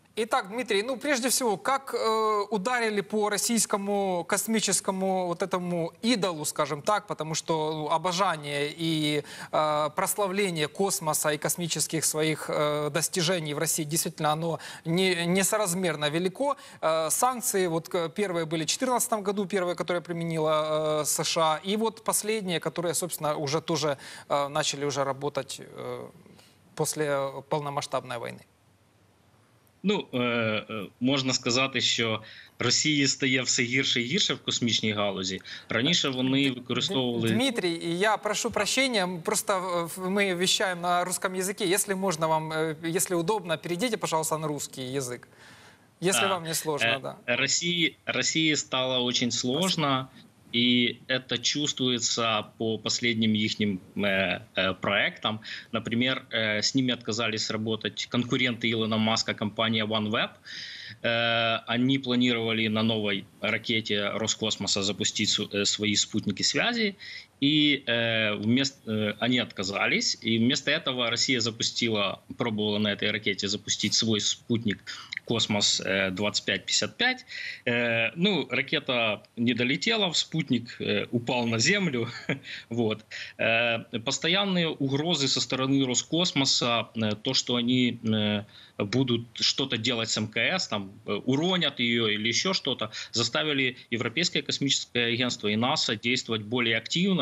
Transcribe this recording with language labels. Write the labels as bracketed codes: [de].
[ru] Итак, Дмитрий, ну прежде всего, как ударили по российскому космическому вот этому идолу, скажем так, потому что обожание и прославление космоса и космических своих достижений в России действительно оно несоразмерно велико. Санкции вот первые были в 2014 году, первые, которые применила США, и вот последние, которые, собственно, уже тоже начали уже работать после полномасштабной войны. [uk] Ну, можна сказати, що Росії стає все гірше і гірше в космічній галузі. Раніше вони використовували... [ru] Дмитрий, я прошу прощения, просто [uk] ми вещаємо на російському язикі. Якщо можна вам, якщо удобно, перейдіть, пожалуйста, на російський язик. Якщо вам не сложно, да. Росії стало дуже сложно, і це чувствується по останнім їхнім проектам. Наприклад, з ними відмовились працювати конкуренти Ілона Маска, компанія OneWeb. Вони планували на новій ракеті Роскосмоса запустити свої спутники зв'язку. І вони відмовились. І вмісто цього Росія запустила, пробувала на цій ракеті запустити свій спутник Космос 2555. [ru] Ну, ракета не долетела, спутник упал на землю. Вот. Постоянные угрозы со стороны Роскосмоса, то, что они будут что-то делать с МКС, там, уронят ее или еще что-то, заставили Европейское космическое агентство и НАСА действовать более активно.